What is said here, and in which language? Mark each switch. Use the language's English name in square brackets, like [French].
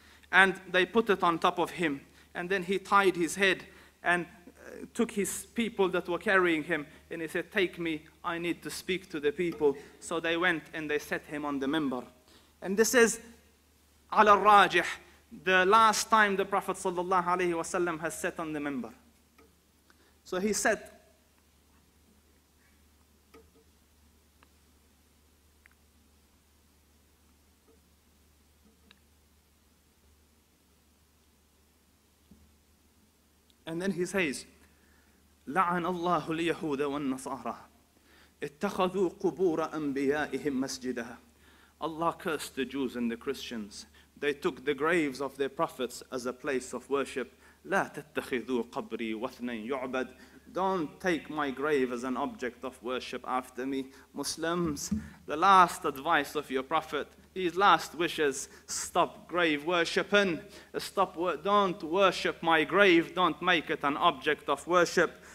[English] And they put it on top of him. And then he tied his head and took his people that were carrying him. And he said, take me, I need to speak to the people. So they went and they set him on the minbar. And this is [Arabic] على الراجح, [English] the last time the Prophet sallallahu alayhi wasallam has sat on the minbar. So he said, and then he says, [Arabic] لعن الله اليهود والنصارى اتخذوا قبور أنبيائهم مسجدها. [English] Allah cursed the Jews and the Christians. They took the graves of their prophets as a place of worship. [Arabic] لا تتخذوا قبري واثنين يعبد. [English] Don't take my grave as an object of worship after me. Muslims, the last advice of your prophet, his last wishes, stop grave worshiping. Stop. Don't worship my grave. Don't make it an object of worship.